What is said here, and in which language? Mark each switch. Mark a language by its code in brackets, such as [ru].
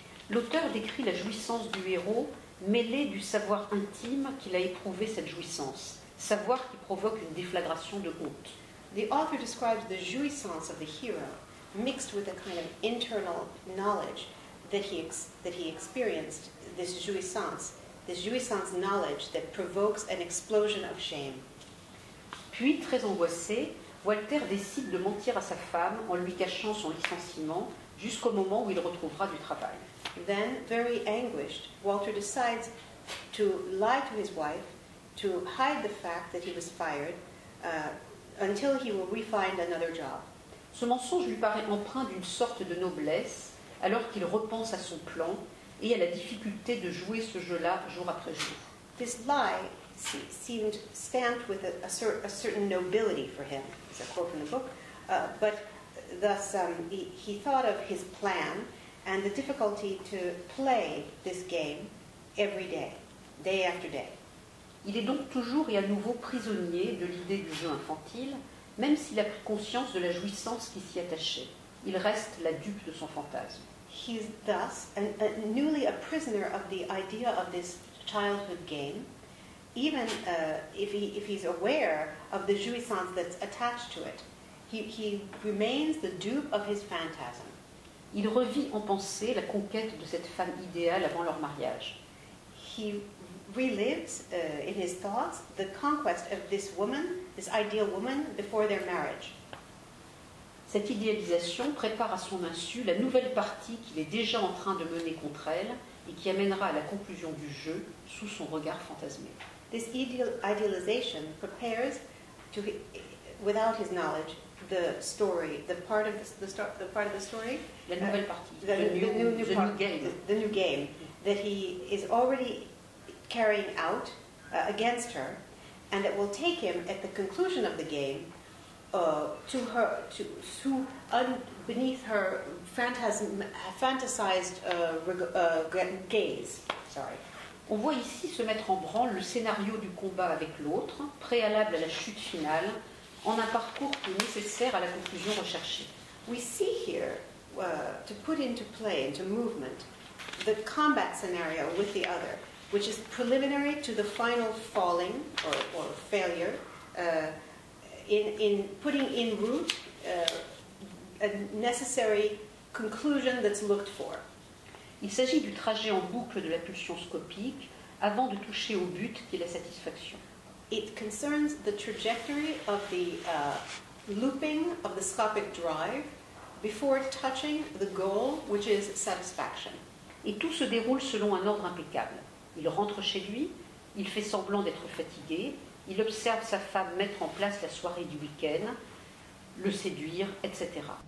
[fr] L'auteur décrit la jouissance du héros mêlée du savoir intime qu'il a éprouvé cette jouissance, savoir qui provoque une déflagration de honte. [en] The author describes the jouissance of the hero mixed with a kind of internal knowledge that he experienced this jouissance knowledge that provokes an explosion of shame. [fr] Puis, très angoissé, Walter décide de mentir à sa femme en lui cachant son licenciement jusqu'au moment où il retrouvera du travail. [en] Then, very anguished, Walter decides to lie to his wife to hide the fact that he was fired until he will re-find another job. [fr] Ce mensonge lui paraît empreint d'une sorte de noblesse alors qu'il repense à son plan et à la difficulté de jouer ce jeu-là jour après jour. [en] This lie seemed stamped with a certain nobility for him, it's a quote from the book, but thus he thought of his plan and the difficulty to play this game every day, day after day. [fr] Il est donc toujours et à nouveau prisonnier de l'idée du jeu infantile, même s'il a pris conscience de la jouissance qui s'y attachait. Il reste la dupe de son fantasme. [en] He's thus newly a prisoner of the idea of this childhood game, even if he's aware of the jouissance that's attached to it. He remains the dupe of his phantasm. [fr] Il revit en pensée la conquête de cette femme idéale avant leur mariage. [en] He relives in his thoughts the conquest of this woman, this ideal woman, before their marriage. [fr] Cette idéalisation prépare à son insu la nouvelle partie qu'il est déjà en train de mener contre elle et qui amènera à la conclusion du jeu sous son regard fantasmé. [en] This idealization prepares, without his knowledge, the story, the part of the story, [fr] la nouvelle partie, [en] the new game, the new game that he is already carrying out against her, and it will take him at the conclusion of the game to her, to beneath her fantasized gaze. Sorry. [fr] On voit ici se mettre en branle le scénario du combat avec l'autre, préalable à la chute finale, en un parcours qui est nécessaire à la conclusion recherchée. [en] We see here to put into play, into movement, the combat scenario with the other, which is preliminary to the final falling or failure, in putting in route a necessary conclusion that's looked for. [fr] Il s'agit du trajet en boucle de la pulsion scopique avant de toucher au but qui est la satisfaction. [en] It concerns the trajectory of the looping of the scopic drive before touching the goal, which is satisfaction. [fr] Et tout se déroule selon un ordre impeccable. Il rentre chez lui, il fait semblant d'être fatigué, il observe sa femme mettre en place la soirée du week-end, le séduire, etc.